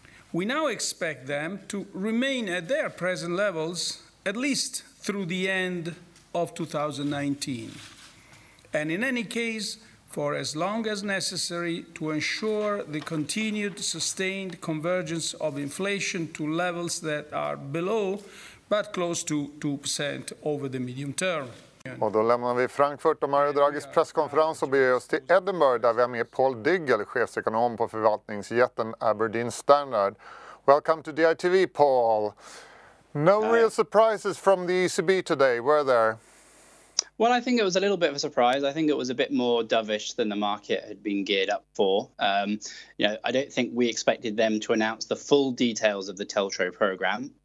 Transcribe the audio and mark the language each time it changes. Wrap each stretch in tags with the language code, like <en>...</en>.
<en>We now expect them to remain at their present levels at least through the end of 2019. And in any case, for as long as necessary to ensure the continued sustained convergence of inflation to levels that are below, but close to 2% over the medium term.</en> <sv>Och då lämnar vi Frankfurt och Mario Draghis presskonferens och beger oss till Edinburgh där vi har med Paul Dyggel, chefsekonom på förvaltningsjätten Aberdeen Standard.</sv> <en>Welcome to DITV, Paul. No real surprises from the ECB today, were there? Well, I think it was a little bit of a surprise. I think it was a bit more dovish than the market had been geared up for. I don't think we expected them to announce the full details of the TLTRO program.</en>